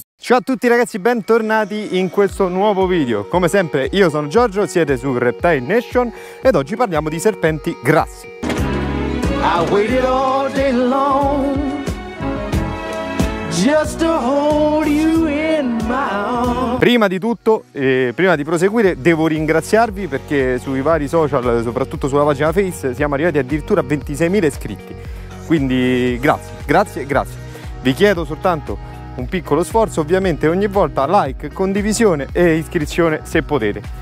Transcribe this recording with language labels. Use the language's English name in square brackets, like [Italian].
[Italian] Ciao a tutti ragazzi, bentornati in questo nuovo video. Come sempre io sono Giorgio, siete su Reptile Nation ed oggi parliamo di serpenti grassi. [English] I waited all day long just to hold you in my arms. [Italian] Prima di tutto, prima di proseguire, devo ringraziarvi perché sui vari social, soprattutto sulla pagina Face, siamo arrivati addirittura a 26.000 iscritti. Quindi grazie, grazie, grazie. Vi chiedo soltanto un piccolo sforzo, ovviamente ogni volta like, condivisione e iscrizione se potete.